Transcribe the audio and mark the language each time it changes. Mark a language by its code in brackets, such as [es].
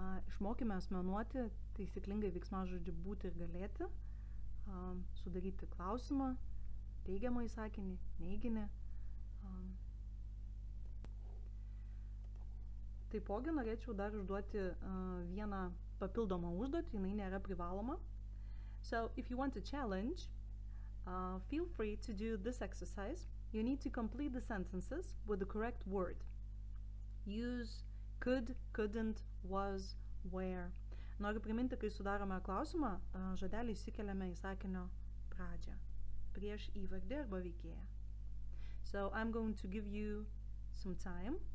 [lt] Išmokime asmenuoti taisyklingai veiksmažodžių būti ir galėti, sudaryti klausimą, teigiamą įsakinį, neiginį. Taipogi norėčiau dar užduoti vieną papildomą užduotį, jinai nėra privaloma. [en] So, if you want a challenge, feel free to do this exercise. You need to complete the sentences with the correct word. Use could, couldn't, was, where. [lt] Noriu priminti, kai sudarome klausimą, žodelį įsikeliame į sakinio pradžią. Prieš įvardį arba veikėją. [en] So, I'm going to give you some time.